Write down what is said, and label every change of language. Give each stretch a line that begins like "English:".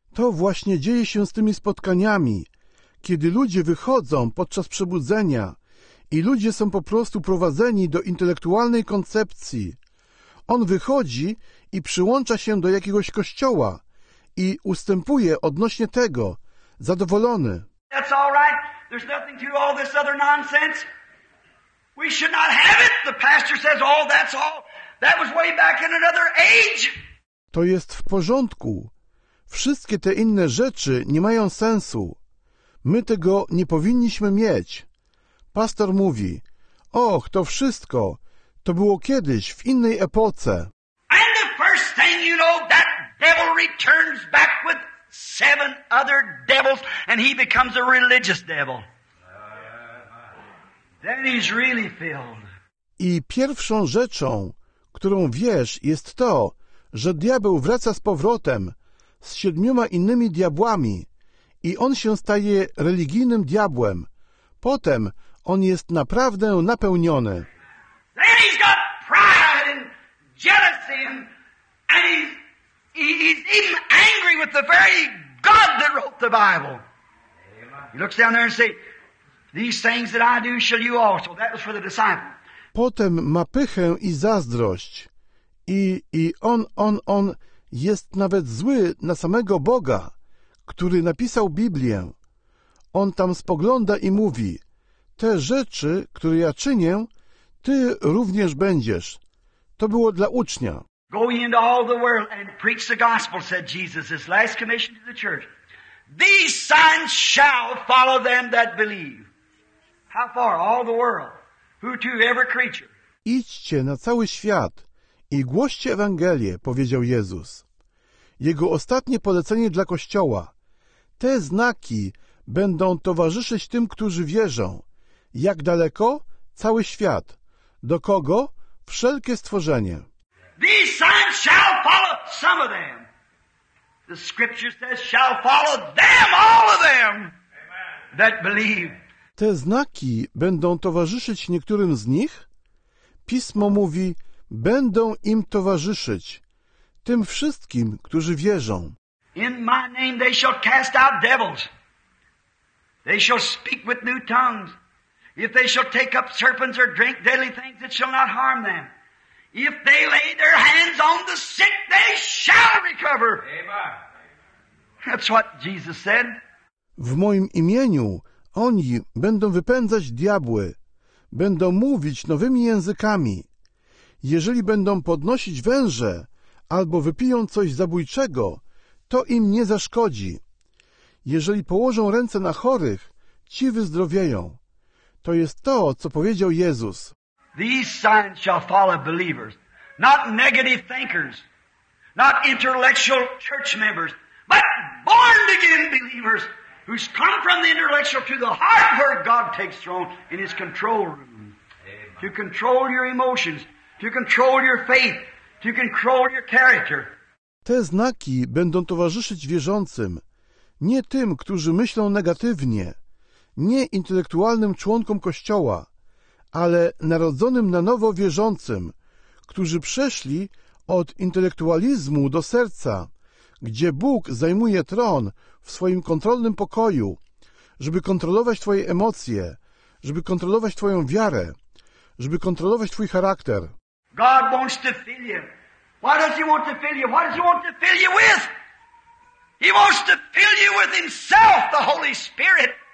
Polish: To właśnie dzieje się z tymi spotkaniami, kiedy ludzie wychodzą podczas przebudzenia i ludzie są po prostu prowadzeni do intelektualnej koncepcji. On wychodzi i przyłącza się do jakiegoś kościoła i ustępuje odnośnie tego, zadowolony.
English: That's all right. There's nothing to all this other nonsense. We should not have it. The pastor says, oh, that's all. That was way back in another age.
Polish: To jest w porządku. Wszystkie te inne rzeczy nie mają sensu. My tego nie powinniśmy mieć. Pastor mówi, och, to wszystko, to było kiedyś, w innej epoce.
English: And the first thing you know, that devil returns back with seven other devils and he becomes a religious devil. Then he's really filled.
Polish: I pierwszą rzeczą, którą wiesz, jest to, że diabeł wraca z powrotem z siedmioma innymi diabłami i on się staje religijnym diabłem. Potem on jest naprawdę napełniony.
English: Then he's got pride and jealousy and he's even angry with the very God that wrote the Bible. He looks down there and says, these things that I do shall you also. That was for the disciple.
Polish: Potem ma pychę i zazdrość. I on jest nawet zły na samego Boga, który napisał Biblię. On tam spogląda i mówi, te rzeczy, które ja czynię, ty również będziesz. To było dla ucznia.
English: Go into all the world and preach the gospel, said Jesus, his last commission to the church. These signs shall follow them that believe. How far? All the world. Who to every creature.
Polish: Idźcie na cały świat i głoście Ewangelię, powiedział Jezus. Jego ostatnie polecenie dla Kościoła. Te znaki będą towarzyszyć tym, którzy wierzą. Jak daleko? Cały świat. Do kogo? Wszelkie stworzenie.
English: These signs shall follow some of them. The scripture says shall follow them, all of them that believe.
Polish: Te znaki będą towarzyszyć niektórym z nich? Pismo mówi, będą im towarzyszyć, tym wszystkim, którzy wierzą.
English: In my name they shall cast out devils. They shall speak with new tongues. If they shall take up serpents or drink deadly things, it shall not harm them. If they lay their hands on the sick, they shall recover. Amen. That's what Jesus said.
Polish: W moim imieniu oni będą wypędzać diabły, będą mówić nowymi językami. Jeżeli będą podnosić węże albo wypiją coś zabójczego, to im nie zaszkodzi. Jeżeli położą ręce na chorych, ci wyzdrowieją. To jest to, co powiedział Jezus.
English: These signs shall follow believers, not negative thinkers, not intellectual church members, but born-again believers who's come from the intellectual to the heart where God takes throne in his control room. Amen. To control your emotions, to control your faith, to control your character.
Polish: Te znaki będą towarzyszyć wierzącym, nie tym, którzy myślą negatywnie, nie intelektualnym członkom Kościoła, ale narodzonym na nowo wierzącym, którzy przeszli od intelektualizmu do serca, gdzie Bóg zajmuje tron w swoim kontrolnym pokoju, żeby kontrolować twoje emocje, żeby kontrolować twoją wiarę, żeby kontrolować twój charakter.
English: God wants to fill you. Why does he want to fill you? What does he want to fill you with? He wants to fill you with himself, the Holy Spirit.